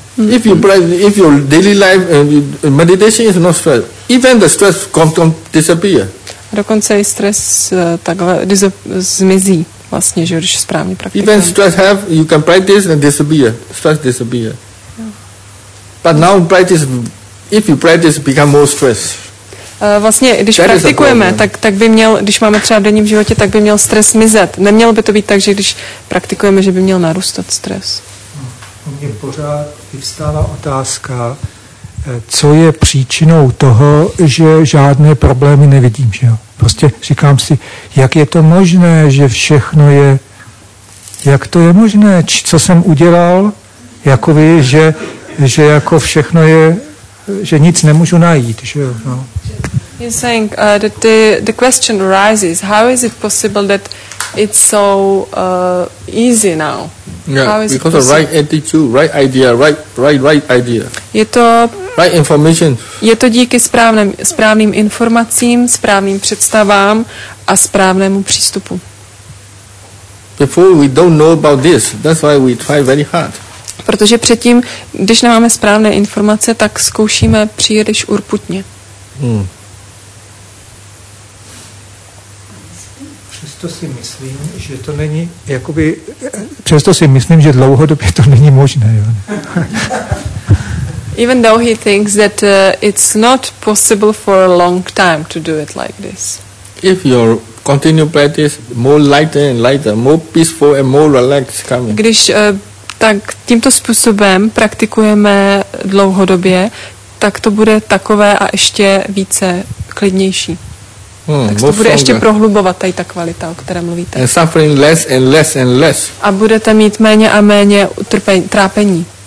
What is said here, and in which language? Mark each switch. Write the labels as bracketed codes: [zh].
[en] If your daily life meditation is no stress, even the stress can disappear. [cs] A dokonce i stres takhle zmizí vlastně, že když správně praktikujeme. [en] Even stress have, you can practice and disappear. Stress disappear. But now practice, if you practice, become more stress. [cs] Vlastně, když that praktikujeme, tak by měl, když máme třeba v denním životě, tak by měl stres mizet. Nemělo by to být tak, že když praktikujeme, že by měl narůstat stres. U mě pořád vyvstává otázka, co je příčinou toho, že žádné problémy nevidím, že jo? Prostě říkám si, jak je to možné, že všechno je, jak to je možné, co jsem udělal, jako vy, že jako všechno je, že nic nemůžu najít, že jo, no. [en] He's saying that the question arises, how is it possible that it's so easy now? Yeah, how is because of right attitude, right idea, right idea. [cs] Je to [en] right information. [cs] Je to díky správným informacím, správným představám a správnému přístupu. [en] Before we don't know about this, that's why we try very hard. [cs] Protože předtím, když nemáme správné informace, tak zkoušíme příliš urputně. Přesto si myslím, že dlouhodobě to není možné. Jo? [en] Even though he thinks that it's not possible for a long time to do it like this. If your continued practice more lighter and lighter, more peaceful and more relaxed coming. [cs] Když tak tímto způsobem praktikujeme dlouhodobě, tak to bude takové a ještě více klidnější. Tak to bude [en] stronger. [cs] Ještě prohlubovat tady ta kvalita, o které mluvíte. [en] And suffering less and less and less. [cs] A budete mít méně a méně utrpení.